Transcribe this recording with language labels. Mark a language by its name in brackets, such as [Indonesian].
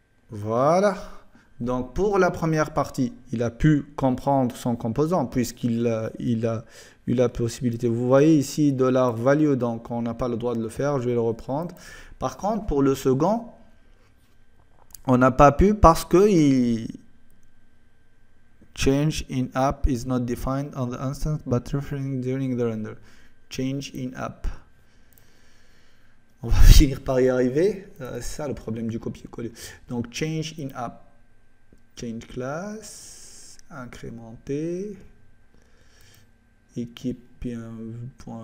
[French] Voilà. Donc pour la première partie, il a pu comprendre son composant puisqu'il a eu la possibilité. Vous voyez ici dollar value, donc on n'a pas le droit de le faire. Je vais le reprendre. Par contre, pour le second, on n'a pas pu parce que [English] Change in app is not defined on the instance but referring during the render. Change in app. [French] On va finir par y arriver. C'est ça le problème du copier-coller. Donc change in app. Change class. Incrémenter. Équipe.view.